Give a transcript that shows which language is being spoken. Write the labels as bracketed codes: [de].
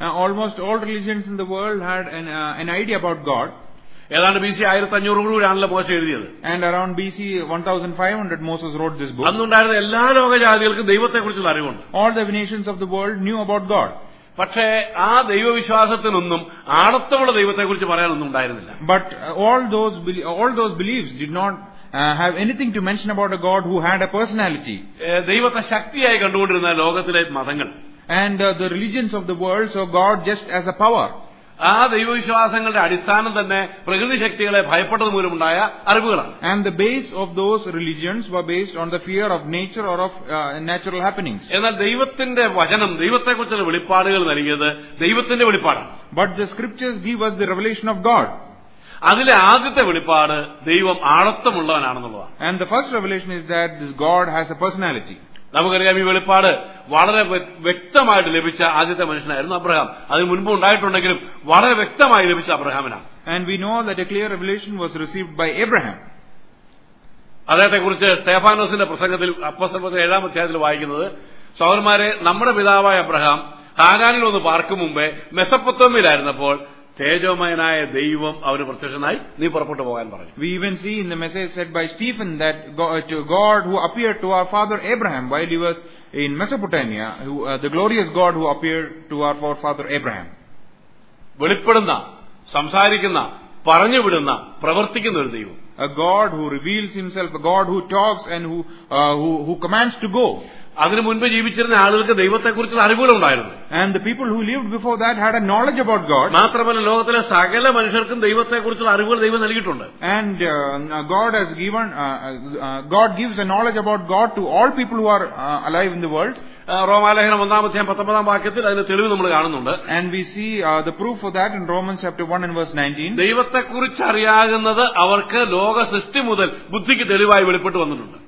[en] Almost all religions in the world had an idea about God. [ml] ഏതാണ്ട് BC 1500 മോശ എഴുതിയത്. [en] And around BC 1500 Moses wrote this book. [ml] അന്നുണ്ടായിരുന്ന എല്ലാ ലോകജാതികൾക്കും ദൈവത്തെക്കുറിച്ചുള്ള അറിവുണ്ട്. [en] All the nations of the world knew about God. [ml] പക്ഷേ ആ ദൈവവിശ്വാസത്തിനൊന്നും ആണത്തമുള്ള ദൈവത്തെക്കുറിച്ച് പറയാനൊന്നും ഉണ്ടായിരുന്നില്ല. [en] But all those believes did not have anything to mention about a God who had a personality. [ml] ദൈവത്തെ ശക്തിയായി കണ്ടുകൊണ്ടിരുന്ന ലോകത്തിലെ മതങ്ങൾ. [en] And the religions of the world saw God just as a power. [ml] ആ ദൈവവിശ്വാസങ്ങളുടെ അടിസ്ഥാനം തന്നെ പ്രകൃതി ശക്തികളെ ഭയപ്പെട്ടത് മൂലമുണ്ടായ അറിവുകളാണ്. [en] And the base of those religions were based on the fear of nature or of natural happenings. [ml] എന്നാൽ ദൈവത്തിന്റെ വചനം ദൈവത്തെക്കുറിച്ചുള്ള വെളിപ്പാടുകൾ നൽകിയത് ദൈവത്തിന്റെ വെളിപ്പാടാണ്. [en] But the scriptures give us the revelation of God. [ml] അതിലെ ആദ്യത്തെ വെളിപ്പാട് ദൈവം ആണത്വമുള്ളവനാണെന്നുള്ളതാണ്. [en] And the first revelation is that this God has a personality. [ml] നമുക്കറിയാം ഈ വെളിപ്പാട് വളരെ വ്യക്തമായിട്ട് ലഭിച്ച ആദ്യത്തെ മനുഷ്യനായിരുന്നു അബ്രഹാം. അതിന് മുൻപ് ഉണ്ടായിട്ടുണ്ടെങ്കിലും വളരെ വ്യക്തമായി ലഭിച്ച അബ്രഹാമിനാണ്. [en] And we know that a clear revelation was received by Abraham. [ml] അദ്ദേഹത്തെക്കുറിച്ച് സ്തേഫാനോസിന്റെ പ്രസംഗത്തിൽ അപ്പോസ്തലപത്രം 7 അധ്യായത്തിൽ വായിക്കുന്നത്, സഹോദരന്മാരെ, നമ്മുടെ പിതാവായ അബ്രഹാം ഹാരാനിൽ ഒന്ന് പാർക്കും മുമ്പേ മെസപ്പൊത്താമ്യയിലായിരുന്നപ്പോൾ തേജോമയനായ ദൈവം അവന് പ്രത്യക്ഷനായി നീ പുറപ്പെട്ടു പോകാൻ പറഞ്ഞു. [en] We even see in the message said by Stephen that God who appeared to our father Abraham while he was in Mesopotamia, the glorious God who appeared to our forefather Abraham. [ml] വെളിപ്പെടുന്ന, സംസാരിക്കുന്ന, പറഞ്ഞു വിടുന്ന, പ്രവർത്തിക്കുന്ന ഒരു ദൈവം. [en] A God who reveals himself, a God who talks and who commands to go. [ml] അതിനു മുൻപ് ജീവിച്ചിരുന്ന ആളുകൾക്ക് ദൈവത്തെക്കുറിച്ചുള്ള അറിവുകളുണ്ടായിരുന്നു. [en] And the people who lived before that had a knowledge about God. [ml] മാത്രമല്ല ലോകത്തിലെ സകല മനുഷ്യർക്കും ദൈവത്തെക്കുറിച്ചുള്ള അറിവുകൾ ദൈവം നൽകിയിട്ടുണ്ട്. [en] And God has given God gives a knowledge about God to all people who are alive in the world. [ml] റോമാലേഖനം 1:19 വാക്യത്തിൽ അതിന്റെ തെളിവ് നമ്മൾ കാണുന്നുണ്ട്. [en] And we see the proof for that in Romans chapter 1 and verse 19. [ml] ദൈവത്തെക്കുറിച്ച് അറിയാകുന്നത് അവർക്ക് ലോക സൃഷ്ടി മുതൽ ബുദ്ധിക്ക് തെളിവായി വെളിപ്പെട്ടു വന്നിട്ടുണ്ട്.